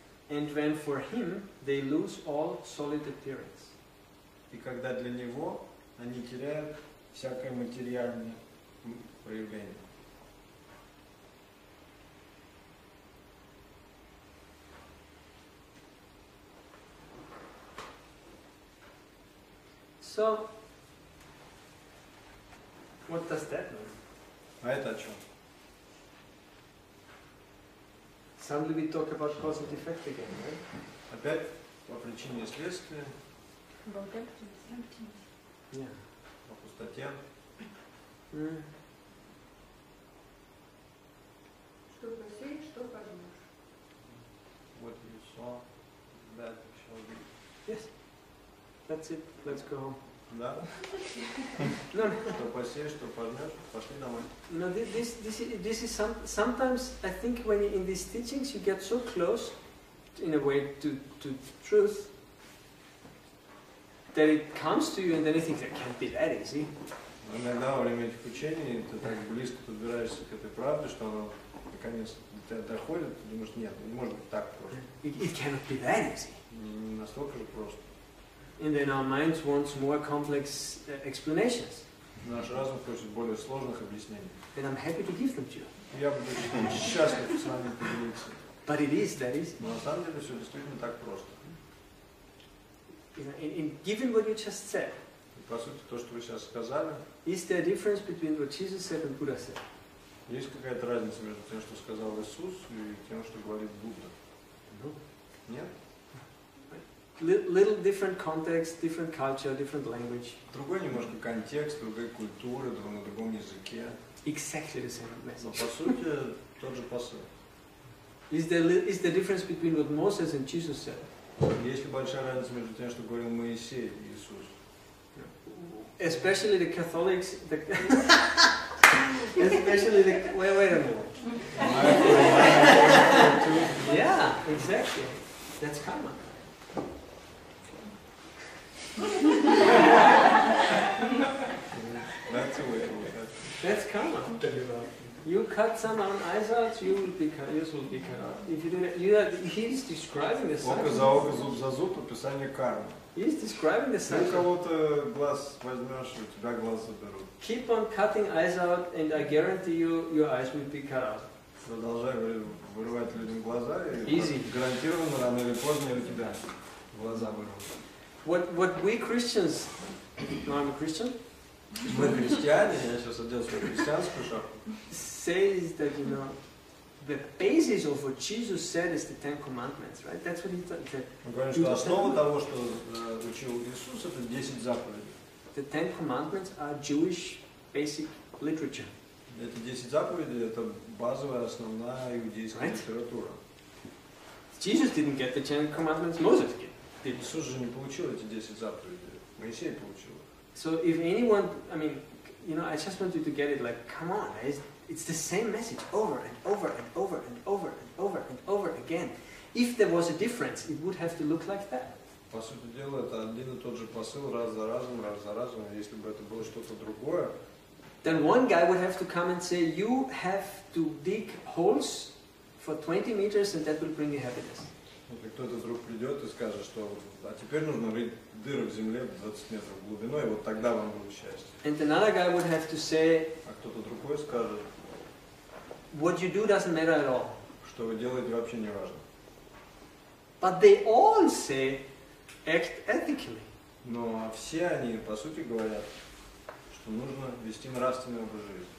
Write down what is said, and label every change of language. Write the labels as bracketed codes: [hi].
[en] And when for him they lose all solid appearance. [ru] И когда для него они теряют всякое материальное проявление. [en] So what does that mean? [ru] А это о чем? [en] Suddenly we talk about cause and effect again, right? [ru] Опять о причине и следствии. [en] About emptiness. Yeah. [ru] О пустоте. Mm. Что посеешь, что пожнешь. [en] What you saw, that shall be. Yes. That's it. Let's go home. [ru] Да? [en] No. [ru] Что посеешь, что пожнешь, пошли домой. [en] No, this is sometimes I think when in these teachings you get so close in a way to truth that it comes to you and then you think that can't be that easy. [ru] Иногда во время этих учений ты так близко подбираешься к этой правде, что оно наконец до тебя доходит, ты думаешь, нет, не может быть так просто. [en] It cannot be that easy. [ru] Не настолько же просто. [en] And then our minds want more complex explanations. [ru] Наш разум хочет более сложных объяснений. [en] And I'm happy to give them to you. [ru] Я буду счастлив с вами поделиться. [en] But it is, that is. [ru] Но на самом деле все действительно так просто. [en] And given what you just said. [ru] И по сути то, что вы сейчас сказали. [en] Is there a difference between what Jesus said and Buddha said? [ru] Есть какая-то разница между тем, что сказал Иисус, и тем, что говорит Будда? [en] No. [ru] Нет? [en] Little different context, different culture, different language. [ru] Другой немножко контекст, другая культура, на другом языке. [en] Exactly the same message. [ru] Но по сути тот же посыл. [en] Is the difference between what Moses and Jesus said? [ru] Есть ли большая разница между тем, что говорил Моисей и Иисус? [en] Especially the Catholics. Especially the wait a minute. Yeah, exactly. That's karma. That's a way to look at it. That's karma. You cut some on ice out, you will be cut. You will be cut out. If you do that, you have, he's describing the cycle. [ru] Око за око, зуб за зуб, описание кармы. [en] He's describing the cycle. [ru] Ты кого-то глаз возьмешь, у тебя глаз заберут. [en] Keep on cutting eyes out, and I guarantee you, your eyes will be cut out. [ru] Продолжай вырывать людям глаза, и гарантированно рано или поздно у тебя глаза вырвут. [en] What we Christians? No, I'm a Christian. [ru] Мы христиане, я сейчас одел свою христианскую шапку. [en] Says that, you know, the basis of what Jesus said is the Ten Commandments, right? That's what he said. [ru] Основа того, что учил Иисус, это 10 заповедей. [en] The Ten Commandments are Jewish basic literature. [ru] Это 10 заповедей, это базовая, основная иудейская литература. [en] Jesus didn't get the Ten Commandments, Moses did. [ru] Иисус же не получил эти 10 заповедей, Моисей получил. [en] So if anyone, I mean, you know, I just want you to get it, like, come on, it's the same message over and over and over and over and over and over again. If there was a difference, it would have to look like that. [ru] По сути дела, это один и тот же посыл раз за разом, если бы это было что-то другое. [en] Then one guy would have to come and say, you have to dig holes for 20 meters and that will bring you happiness. [ru] Кто-то вдруг придет и скажет, что а теперь нужно рыть дыры в земле 20 метров глубиной, и вот тогда вам будет счастье. [en] And another guy would have to say, [ru] а кто-то другой скажет, [en] what you do doesn't matter at all. [ru] Что вы делаете вообще не важно. [en] But they all say, act ethically. [ru] Но все они, по сути, говорят, что нужно вести нравственный образ жизни.